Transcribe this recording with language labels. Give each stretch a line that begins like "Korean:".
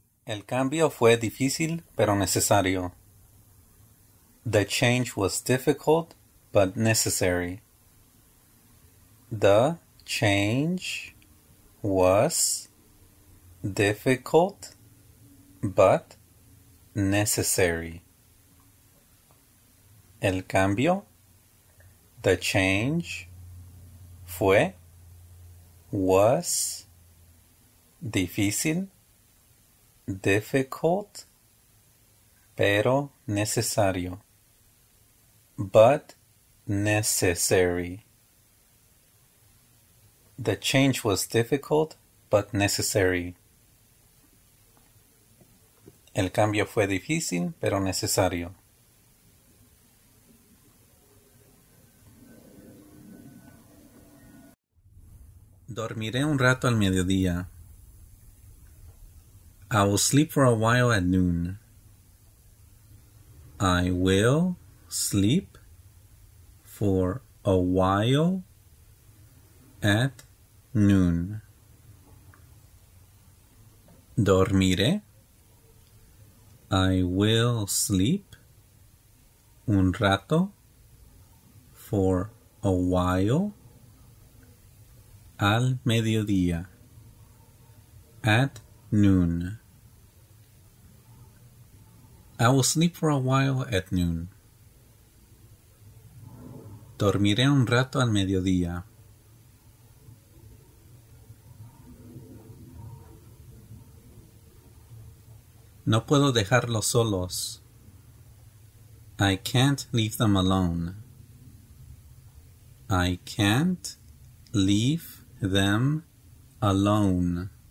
Spanish: El cambio fue difícil, pero necesario.
English: The change was difficult, but necessary. The change was difficult, but necessary.
Spanish: El cambio,
English: the change,
Spanish: fue,
English: was,
Spanish: difícil,
English: difficult,
Spanish: pero necesario,
English: but necessary. The change was difficult, but necessary.
Spanish: El cambio fue difícil, pero necesario. Dormiré un rato al mediodía.
English: I will sleep for a while at noon. I will sleep for a while at noon.
Spanish: Dormiré.
English: I will sleep
Spanish: un rato
English: for a while
Spanish: al mediodía
English: at noon. I will sleep for a while at noon.
Spanish: Dormiré un rato al mediodía. No puedo dejarlos solos.
English: I can't leave them alone. I can't leave them alone.